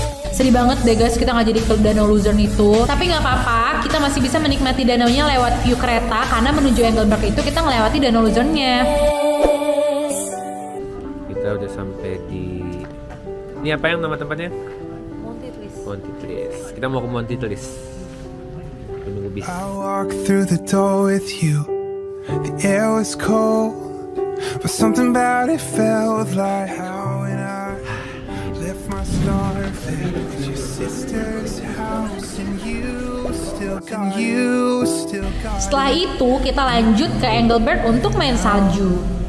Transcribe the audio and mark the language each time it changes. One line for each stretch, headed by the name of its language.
Indonesian: Sedih banget deh guys, kita gak jadi ke Danau Luzern itu. Tapi gak apa-apa, kita masih bisa menikmati danaunya lewat view kereta. Karena menuju Engelberg itu kita ngelewati Danau Luzernnya. Kita udah sampai di... Ini apa yang nama tempatnya? Montitlis. Kita mau ke Montitlis. Menunggu bis.
English: I walked through the door with you. The air was cold, but something about it felt like how and I left my star at your sister's house and you still got it. You still got it.
Indonesian: Setelah itu kita lanjut ke Engelberg untuk main salju.